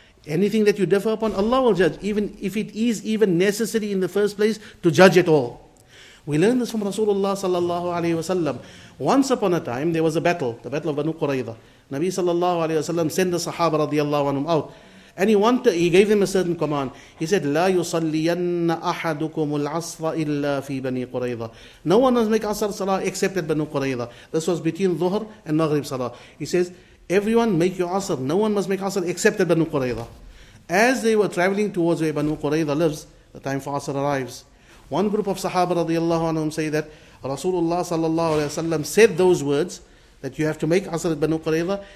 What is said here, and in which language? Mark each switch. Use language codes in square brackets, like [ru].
[en] Anything that you differ upon, Allah will judge, even if it is even necessary in the first place to judge at all. We learn this from Rasulullah sallallahu alayhi wa sallam. Once upon a time, there was a battle, the battle of Banu Qurayza. Nabi sallallahu alayhi wa sallam sent the Sahaba radiallahu anhum out. And he gave them a certain command. He said, [ar] لَا يُصَلِّيَنَّ أَحَدُكُمُ الْعَصْرَ إِلَّا فِي بَنِي قُرَيْضَ. [en] No one must make Asr Salah except at Banu Qurayza. This was between Dhuhr and Maghrib Salah. He says, everyone make your Asr. No one must make Asr except at Banu Qurayza. As they were traveling towards where Banu Qurayza lives, the time for Asr arrives. One group of Sahaba radiallahu anhum say that Rasulullah sallallahu alayhi wa sallam said those words, that you have to make Asr at Banu Qurayza.